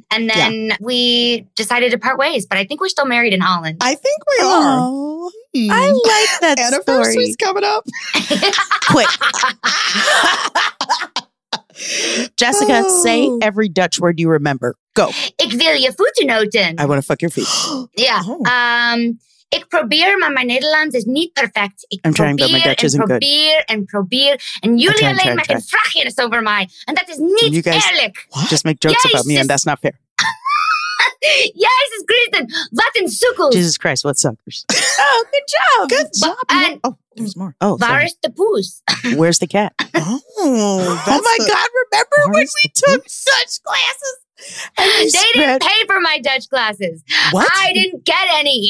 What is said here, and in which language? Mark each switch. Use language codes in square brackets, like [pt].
[en] And then we decided to part ways. But I think we're still married in Holland. I think we are. I like that story. Anniversary's coming up. Quick. Jessica, say every Dutch word you remember. Go. [nl] Ik wil je voeten noten. [en] I want to fuck your feet. Yeah. [nl] Ik probeer, maar mijn Nederlands is niet perfect. [en] I'm trying, but my Dutch isn't good. [nl] And jullie alleen maar een vraagje is over mij. [en] And that is [nl] niet eerlijk. [en] Just make jokes about me and that's not fair. [nl] Jesus Christ, wat een sukkel. [en] Jesus Christ, what suckers. Oh, good job. Good job. And there's more. Oh, [nl] waar is de poes? [en] Where's the cat? Oh my God, remember when we took such classes? They didn't pay for my Dutch classes. What? I didn't get any.